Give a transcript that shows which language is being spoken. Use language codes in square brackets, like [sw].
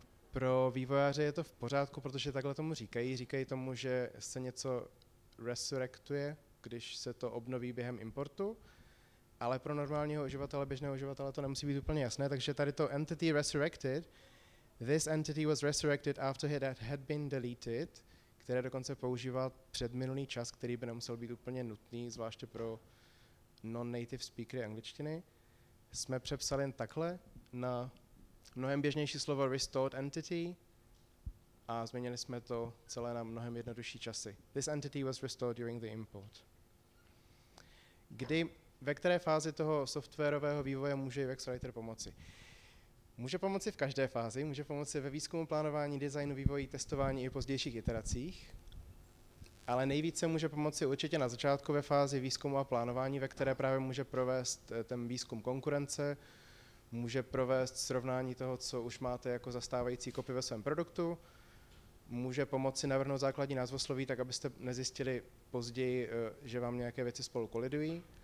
[cs] Pro vývojáře je to v pořádku, protože takhle tomu říkají. Říkají tomu, že se něco resurrectuje, když se to obnoví během importu, ale pro normálního uživatele, běžného uživatele to nemusí být úplně jasné, takže tady to [en] entity resurrected, this entity was resurrected after it had been deleted, [cs] které dokonce používá předminulý čas, který by nemusel být úplně nutný, zvláště pro non-native speakery angličtiny, jsme přepsali jen takhle na mnohem běžnější slovo [en] restored entity [cs] a změnili jsme to celé na mnohem jednodušší časy. [en] This entity was restored during the import. [cs] Ve které fázi toho softwarového vývoje může UX writer pomoci? Může pomoci v každé fázi, může pomoci ve výzkumu, plánování, designu, vývoji, testování i pozdějších iteracích, ale nejvíce může pomoci určitě na začátku ve fázi výzkumu a plánování, ve které právě může provést ten výzkum konkurence, může provést srovnání toho, co už máte jako zastávající kopy ve svém produktu, může pomoci navrhnout základní názvosloví, tak abyste nezjistili později, že vám nějaké věci spolu kolidují.